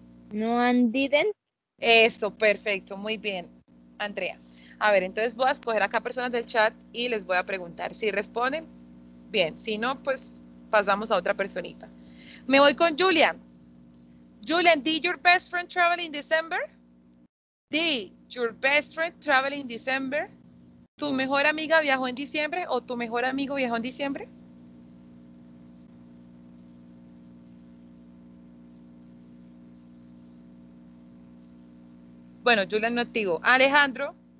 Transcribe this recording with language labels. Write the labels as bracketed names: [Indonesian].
[English] No, and didn't. [Spanish] Eso, perfecto, muy bien, Andrea. A ver, entonces voy a escoger acá personas del chat y les voy a preguntar si responden. Bien, si no, pues pasamos a otra personita. Me voy con Julian. [English] Julian, did your best friend travel in December? Did your best friend travel in December? [Spanish] ¿Tu mejor amiga viajó en diciembre o tu mejor amigo viajó en diciembre? Bueno, Julian no activo. Alejandro.